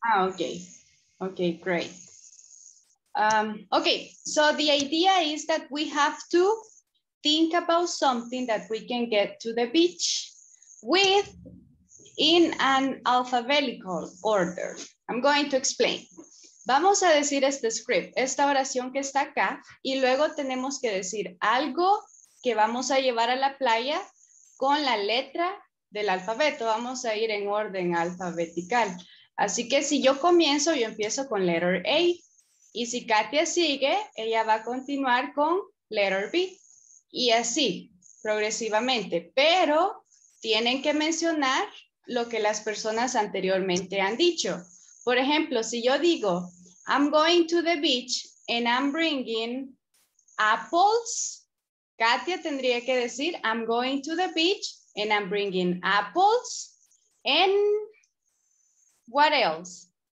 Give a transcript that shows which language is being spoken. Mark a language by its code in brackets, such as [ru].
[en] Ah, okay. Okay, great. Okay, so the idea is that we have to think about something that we can get to the beach with in an alphabetical order. I'm going to explain. [es] Vamos a decir este script, esta oración que está acá, y luego tenemos que decir algo que vamos a llevar a la playa con la letra del alfabeto. Vamos a ir en orden alfabetical. Así que si yo comienzo, yo empiezo con letter A. Y si Katia sigue, ella va a continuar con letter B. Y así, progresivamente. Pero tienen que mencionar lo que las personas anteriormente han dicho. Por ejemplo, si yo digo, [en] I'm going to the beach and I'm bringing apples, [es] Katia tendría que decir, [en] I'm going to the beach and I'm bringing apples and what else?